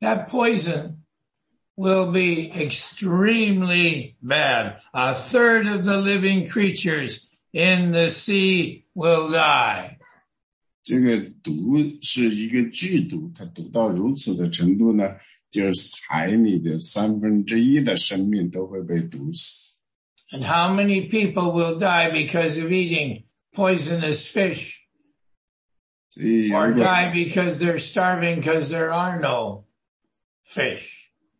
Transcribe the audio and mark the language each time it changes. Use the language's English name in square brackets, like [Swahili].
[English] that poison will be extremely bad. A third of the living creatures in the sea will die. [Chinese] 这个毒是一个剧毒，它毒到如此的程度呢，就是海里的三分之一的生命都会被毒死。 [English] And how many people will die because of eating poisonous fish? Or die because they're starving because there are no fish?